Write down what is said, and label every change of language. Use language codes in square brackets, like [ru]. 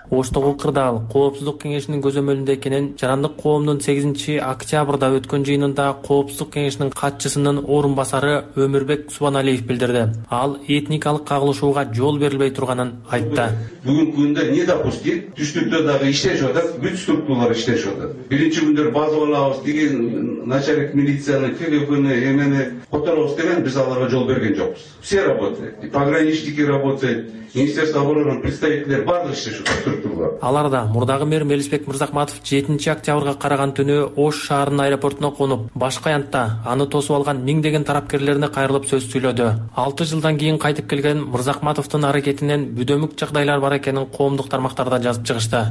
[ky] Оштогу кырдаал коопсуздук кеңешинин көзөмөлүндө экенин жарандык коомдун 8-октябрда өткөн жыйынында коопсуздук кеңешинин катчысынын орун басары Өмүрбек Субаналиев билдирди. Ал этникалык кагылышууга жол берилбей турганын айтты. Бүгүнкү күндө [ru] не допустим, [ky] түштүктө дагы иштешип атат, бүт структуралар иштешип атат. Биринчи күндөр базып алабыз деген начальник милициянын телефону эмени которобуз деген биз аларга жол берген жокпуз. [ru] Все работают, пограничники работают, министерство обороны [ky] представителдери бардык иштешип турушат. Алар да мурдагы мэр Мелисбек Мырзакматов 7-октябрга караган түнү Ош шаарынын аэропортуна конуп, башка аянтта аны тосуп алган миңдеген тарапкерлерине кайрылып сөз сүйлөдү. 6 жылдан кийин кайтып келген Мырзакматовдун аракетинен бүдөмүк жагдайлар бар экенин коомдук тармактарда жазып чыгышты.